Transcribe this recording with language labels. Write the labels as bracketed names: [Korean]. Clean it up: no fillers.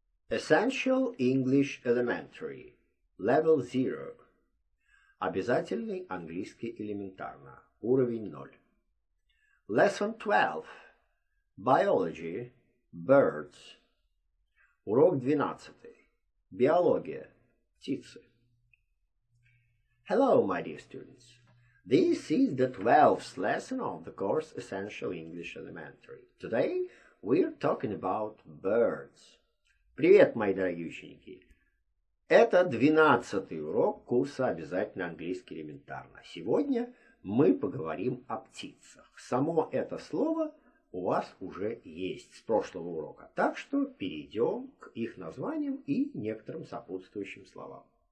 [English] Essential English Elementary, Level 0. [Russian] Обязательный английский элементарно, уровень 0. [English] Lesson 12. Biology, Birds. [Russian] Урок 12. Биология, птицы. [English] Hello, my dear students. This is the 12th lesson of the course Essential English Elementary. Today we're talking about birds. [Russian] Привет, мои дорогие ученики! Это 12-й урок курса «Обязательно английский элементарно». Сегодня мы поговорим о птицах. Само это слово у вас уже есть с прошлого урока, так что перейдем к их названиям и некоторым сопутствующим словам.